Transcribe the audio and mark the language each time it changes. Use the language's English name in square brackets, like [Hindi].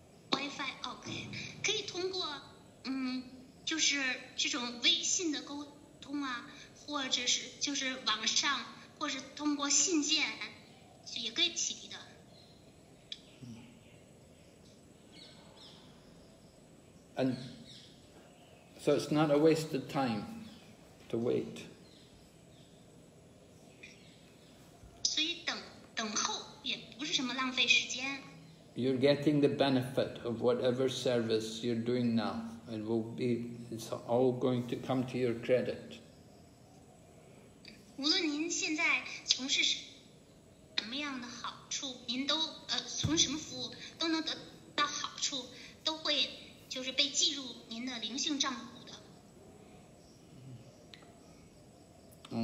[Chinese] Wi-Fi OK， 可以通过就是这种微信的沟通啊，或者是就是网上，或者是通过信件也可以提的。 [English] And so it's not a wasted time to wait. [Chinese] 所以等候也不是什么浪费时间。 [English] You're getting the benefit of whatever service you're doing now. It will be, it's all going to come to your credit. [Chinese] 无论您现在从事什么样的好处，您都从什么服务都能得到好处，都会就是被记入您的灵性账户的。